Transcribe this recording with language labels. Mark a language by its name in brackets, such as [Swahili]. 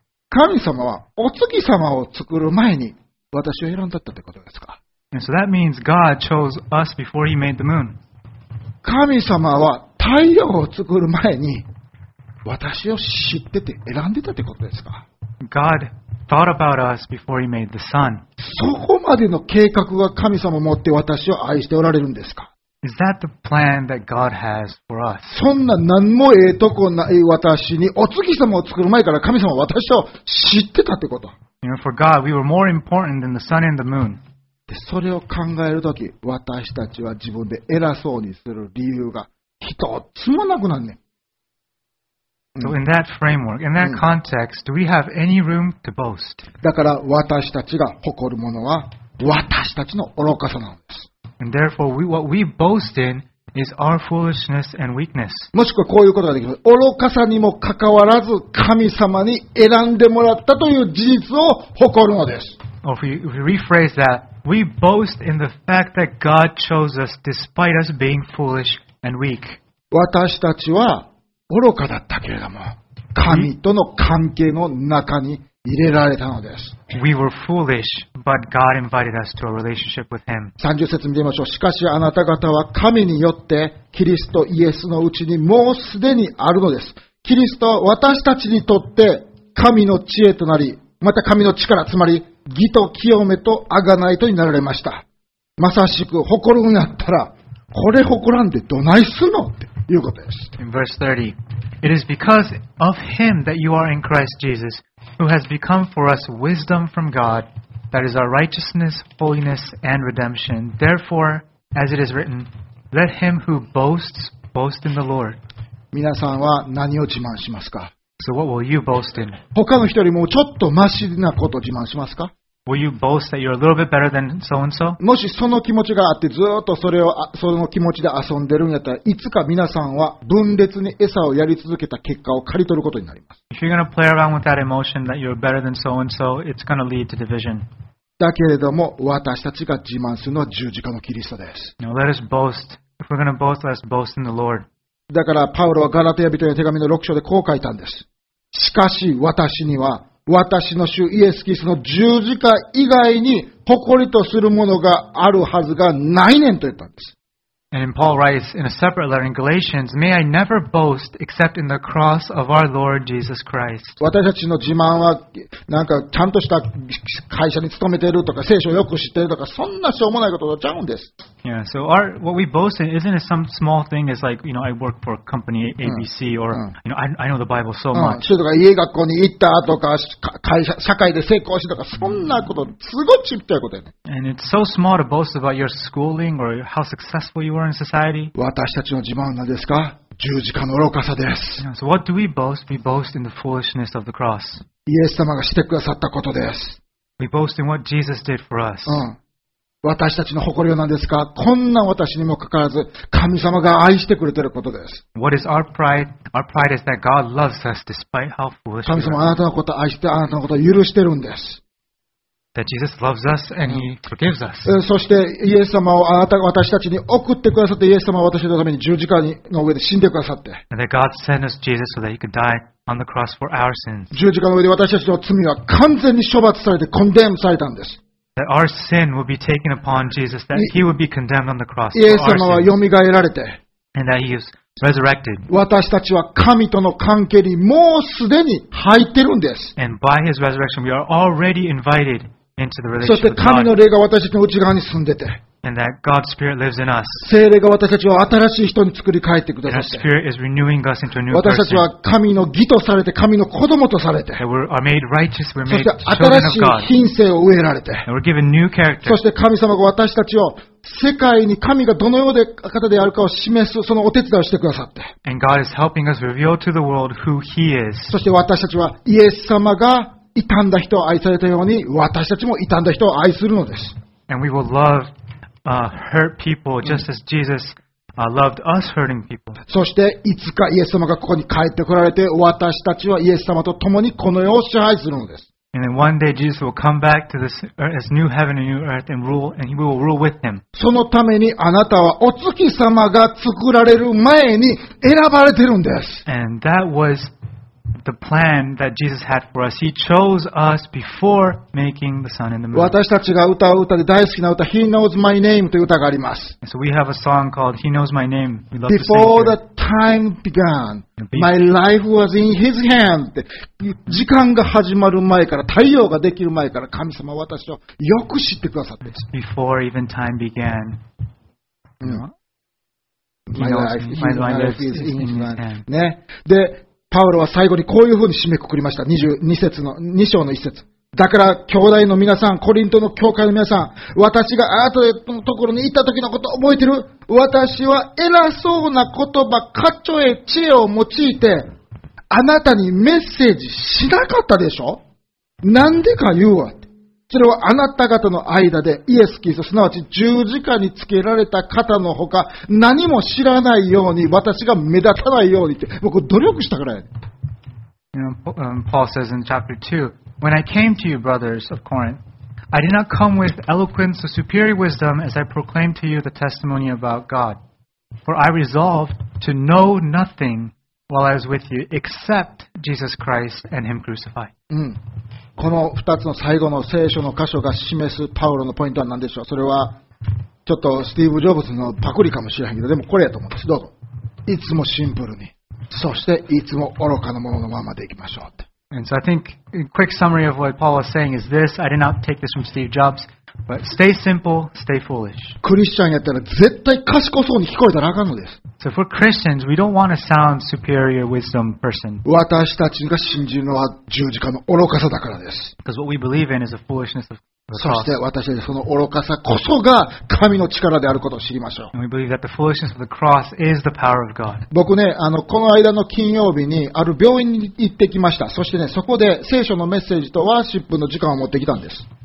[Japanese] 神様はお月様を作る前に私を選んだったってことですか？ [English] And so that means God chose us before he made the moon. [Japanese] 神様は太陽を作る前に私を知ってて選んでたってことですか？ [English] God thought about us before he made the sun. [Japanese] そこまでの計画が神様持って私を愛しておられるんですか？ [English] Is that the plan that God has for us? [Japanese] そんな何もええとこない私に、お月様を作る前から神様は私を知ってたってこと。 [English] You know, for God, we were more important than the sun and the moon. [Japanese] で、それを考えるとき、私たちは自分で偉そうにする理由が一つもなくなんねん。 [English] So in that framework, in that context, do we have any room to boast? [Japanese] だから私たちが誇るものは私たちの愚かさなんです。 [English] And therefore, what we boast in is our foolishness and weakness. [Japanese] もしくはこういうことができる。愚かさにもかかわらず神様に選んでもらったという事実を誇るのです。 [English] Or if we rephrase that, we boast in the fact that God chose us despite us being foolish and weak. [Japanese] 私たちは愚かだったけれども、神との関係の中に入れられたのです。 [English] We were foolish, but God invited us to a relationship with Him. [Japanese] 30節見てみましょう。しかしあなた方は神によってキリストイエスのうちにもうすでにあるのです。キリストは私たちにとって神の知恵となり、また神の力、つまり義と清めと贖いとになられました。まさしく誇るんやったら、これ誇らんでどないすんのっていうことです。 [English] In verse 30, it is because of him that you are in Christ Jesus, who has become for us wisdom from God, that is our righteousness, holiness, and redemption. Therefore, as it is written, let him who boasts, boast in the Lord. [Japanese] 皆さんは何を自慢しますか？ [English] So what will you boast in? [Japanese] 他の人よりもちょっとマシなことを自慢しますか？ [English] Will you boast that you're a little bit better than so and so? [Japanese] もしその気持ちがあってずっとそれをその気持ちで遊んでるんやったら、いつか皆さんは分裂に餌をやり続けた結果を刈り取ることになります。 [English] If you're going to play around with that emotion that you're better than so and so, it's going to lead to division. [Japanese] だけれども私たちが自慢するのは十字架のキリストです。 [English] Now let us boast. If we're going to boast, let us boast in the Lord. [Japanese] だからパウロはガラテヤ人への手紙の6章でこう書いたんです。しかし私には私の主イエスキリストの十字架以外に誇りとするものがあるはずがないねんと言ったんです。 [English] And in Paul writes in a separate letter in Galatians, may I never boast except in the cross of our Lord Jesus Christ. [Japanese] 私たちの自慢はなんかちゃんとした会社に勤めているとか聖書をよく知っているとかそんなしょうもないことちゃうんです。 [English] Yeah, so our, what we boast in isn't some small thing as like, you know, I work for company ABC or, you know, I know the Bible so much. [Japanese] とか家学校に行ったとか会社社会で成功したとかそんなことすごいちっちゃいことや。 [English] And it's so small to boast about your schooling or how successful you were in society. [Japanese] 私たちの自慢は何ですか？十字架の愚かさです。 [English] Yeah, so what do we boast? We boast in the foolishness of the cross. [Japanese] イエス様がしてくださったことです。 [English] We boast in what Jesus did for us. [Japanese] 私たちの誇りは何ですか？こんな私にもかかわらず神様が愛してくれていることです。 [English] What is our pride? Our pride is that God loves us despite how foolish. [Japanese] 神様あなたのことを愛してあなたのことを許してるんです。 [English] That Jesus loves us and He forgives us. [Japanese] そしてイエス様をあなたが私たちに送ってくださってイエス様は私のために十字架の上で死んでくださって。 [English] And that God sent us Jesus so that He could die on the cross for our sins. [Japanese] 十字架の上で私たちの罪は完全に処罰されてコンデムされたんです。 [English] That our sin would be taken upon Jesus, that He would be condemned on the cross. [Japanese] イエス様は蘇られて、 [English] and that He is resurrected. [Japanese] 私たちは神との関係にもうすでに入ってるんです。 [English] And by His resurrection, we are already invited into the relationship. [Japanese] そして神の霊が私たちの内側に住んでて、 [English] and that God's Spirit lives in us. [Japanese] 聖霊が私たちを新しい人に作り変えてくださって、 [English] and His Spirit is renewing us into a new person. [Japanese] 私たちは神の義とされて、神の子供とされて、 [English] and we are made righteous, we're made children of God. [Japanese] そして新しい品性を植えられて、 [English] and we're given new character. [Japanese] そして神様が私たちを世界に神がどのような方であるかを示すそのお手伝いをしてくださって、 [English] and God is helping us reveal to the world who He is. [Japanese] そして私たちはイエス様が傷んだ人を愛されたように、私たちも傷んだ人を愛するのです。 [English] and we will love hurt people just as Jesus loved us hurting people. [Japanese] そしていつかイエス様がここに帰ってこられて私たちはイエス様と共にこの世を支配するのです。 [English] And then one day Jesus will come back to this earth as new heaven and new earth and rule and we will rule with him. [Japanese] そのためにあなたはお月様が作られる前に選ばれてるんです。 [English] And that was the plan that Jesus had for us. He chose us before making the sun and the moon. [Japanese] 私たちが歌う歌で大好きな歌、He knows my name という歌があります。 [English] So we have a song called He knows my name. We love before the time began, my life was in His hand. [Japanese] 時間が始まる前から、太陽ができる前から、神様は私をよく知ってくださって。 [English] Before even time began.、 My life is in His hand. [Japanese] ね。で、パウロは最後にこういうふうに締めくくりました。 2章の1節。だから、兄弟の皆さん、コリントの教会の皆さん、私があなたのところに行った時のことを覚えてる？私は偉そうな言葉、かっちょえ知恵を用いて、あなたにメッセージしなかったでしょ？なんでか言うわ。それはあなた方の間でイエス・キリスト、すなわち十字架につけられた方のほか何も知らないように私が目立たないようにって僕努力したからや。 [English] You know, Paul says in chapter 2, When I came to you, brothers of Corinth, I did not come with eloquence or superior wisdom as I proclaimed to you the testimony about God. For I resolved to know nothing while I was with you except Jesus Christ and Him crucified. [Japanese] この2つの最後の聖書の箇所が示すパウロのポイントは何でしょう？それはちょっとスティーブ・ジョブズのパクリかもしれないけど、でもこれやと思うんです。どうぞ。いつもシンプルに、そしていつも愚かなもののままでいきましょうって。 [English] And so I think a quick summary of what Paul was saying is this. I did not take this from Steve Jobs, but stay simple, stay foolish. [Japanese] クリスチャンやったら絶対賢そうに聞こえたらあかんのです。 [English] So for Christians, we don't want to sound superior wisdom person. [Japanese] 私たちが信じるのは十字架の愚かさだからです。 [English] Because what we believe in is the foolishness of the cross. [Japanese] そして私たちその愚かさこそが神の力であることを知りましょう。 [English] And we believe that the foolishness of the cross is the power of God. [Japanese] 僕ね、この間の金曜日にある病院に行ってきました。そしてね、そこで聖書のメッセージとワーシップの時間を持ってきたんです。